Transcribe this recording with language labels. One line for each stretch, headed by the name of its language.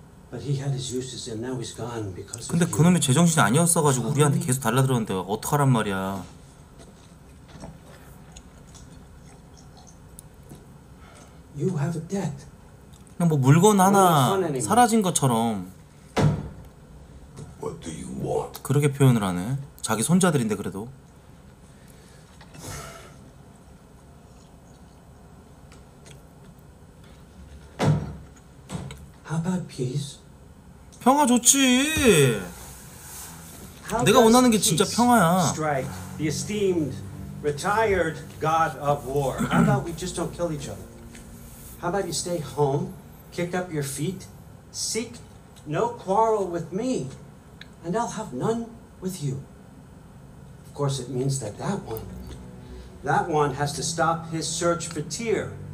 English: But he had his uses, and now he's gone because.
Korean: 근데
English: of
Korean: 그 놈이 제정신이 아니었어가지고 oh, 우리한테 계속 달라들었는데 어떡하란 말이야?
English: You have a debt.
Korean: 그냥 뭐 물건 하나 사라진 것처럼.
English: What do you want?
Korean: 그렇게 표현을 하네. 자기 손자들인데 그래도.
English: How about peace?
Korean: 평화 좋지. 내가 원하는 게 진짜 평화야.
English: Strike the esteemed retired god of war. How about we just don't kill each other? How about you stay home? Kick up your feet, seek no quarrel with me, and I'll have none with you. Of course, it means that that one has to stop his search for Tyr.